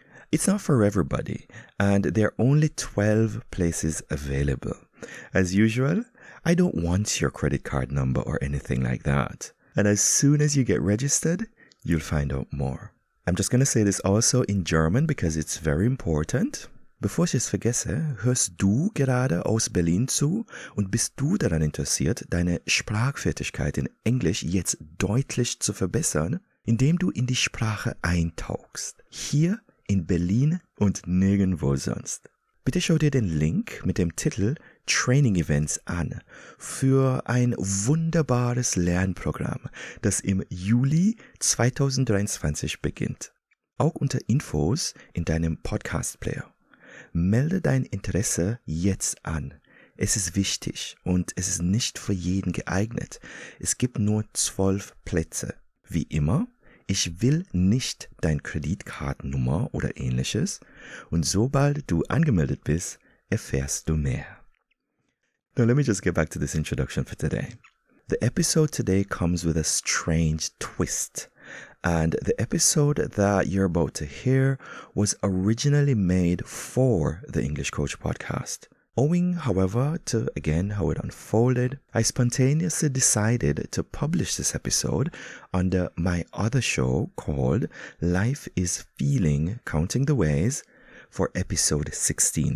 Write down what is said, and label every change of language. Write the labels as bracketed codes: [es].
[en] It's not for everybody, and there are only 12 places available. As usual, I don't want your credit card number or anything like that. And as soon as you get registered, you'll find out more. I'm just going to say this also in German because it's very important. [de] Bevor ich es vergesse, hörst du gerade aus Berlin zu und bist du daran interessiert, deine Sprachfertigkeit in Englisch jetzt deutlich zu verbessern, indem du in die Sprache eintauchst. Hier in Berlin und nirgendwo sonst. Bitte schau dir den Link mit dem Titel Training Events an für ein wunderbares Lernprogramm, das im Juli 2023 beginnt. Auch unter Infos in deinem Podcast-Player. Melde dein Interesse jetzt an. Es ist wichtig und es ist nicht für jeden geeignet. Es gibt nur 12 Plätze. Wie immer, ich will nicht dein Kreditkartennummer oder ähnliches. Und sobald du angemeldet bist, erfährst du mehr. [en] Now let me just get back to this introduction for today. The episode today comes with a strange twist. And the episode that you're about to hear was originally made for the English Coach Podcast. Owing, however, to again how it unfolded, I spontaneously decided to publish this episode under my other show called Life is Feeling, Counting the Ways, for episode 16.